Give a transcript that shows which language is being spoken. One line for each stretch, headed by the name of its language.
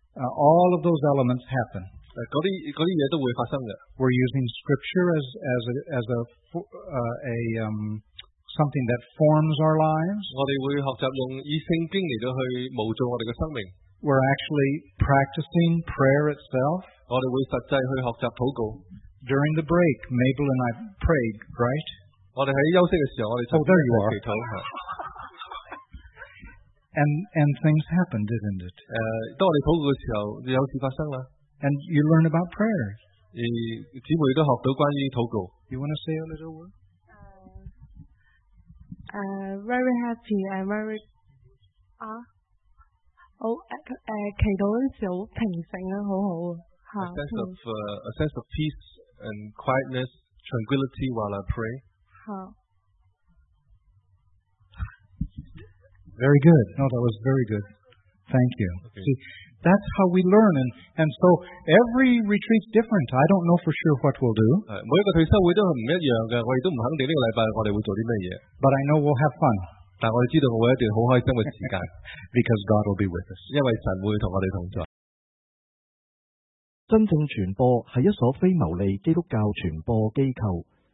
English: All of those elements happen.
Chinese: 那些嘢都会发生的。
English: We're using scripture as something that forms our lives.
Chinese: 我们会学习用以圣经来去模造我们的生命。
English: We're actually practicing prayer itself.
Chinese: 我们会实际去学习祷告。
English: During the break, Mabel and I prayed, right?
Chinese: 我们在休息的时候，我们就在祈祷。
English: And things happened, didn't it?
Chinese: 当我们祷告的时候，有事发生了。
English: And you learn about prayer.
Chinese: 姊妹都学到关于祷告。
English: You want to say a little word? Very happy. I'm very
Chinese: 祈祷的时候很平静，很好。
English: A sense of peace and quietness, tranquility while I pray. Very good. No, that was very good. Thank you. Okay. See, that's how we learn. And so every retreat's different. I don't know for sure what we'll do.
Chinese: 每一个退休会都是不一样的，我也都不肯定这个礼拜我们会做什么。
English: But I know we'll have fun.
Chinese: 但我们知道我们一定很开心的时间。
English: Because God will be with us.
Chinese: 因为神会同我们同在。真正传播是一所非牟利基督教传播机构。